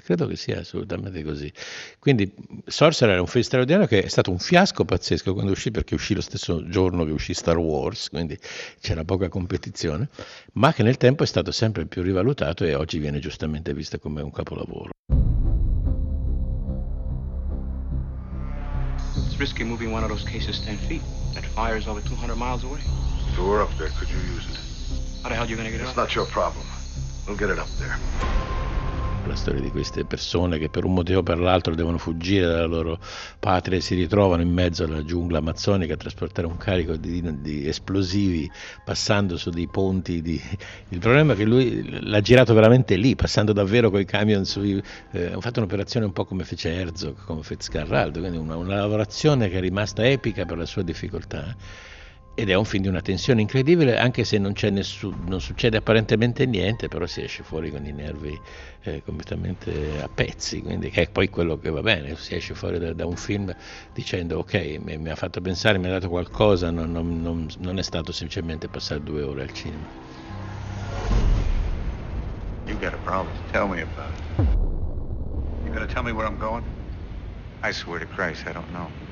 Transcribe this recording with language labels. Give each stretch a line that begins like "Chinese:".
Italian: Credo che sia assolutamente così. Quindi Sorcerer è un film straordinario che è stato un fiasco pazzesco quando uscì, perché uscì lo stesso giorno che uscì Star Wars, quindi c'era poca competizione, ma che nel tempo è stato sempre più rivalutato e oggi viene giustamente visto come un capolavoro.
English: It's risky moving one of those cases 10 feet. That fire is over 200 miles away. If it were up there, could you use it? How the hell are you going to get it up? It's not your problem. We'll get it up there.
Italian: La storia di queste persone che per un motivo o per l'altro devono fuggire dalla loro patria e si ritrovano in mezzo alla giungla amazzonica a trasportare un carico di esplosivi passando su dei ponti di... Il problema è che lui l'ha girato veramente lì, passando davvero coi camion sui... ha fatto un'operazione un po' come fece Herzog, come Fitzcarraldo, quindi una lavorazione che è rimasta epica per la sua difficoltà. Ed è un film di una tensione incredibile, anche se non c'è nessun, non succede apparentemente niente, però si esce fuori con i nervi completamente a pezzi, quindi che è poi quello che va bene, si esce fuori da un film dicendo ok, mi ha fatto pensare, mi ha dato qualcosa, non è stato semplicemente passare due ore al cinema.
English: You got a problem, tell me about it. You gonna tell me where I'm going? I swear to Christ, I don't know.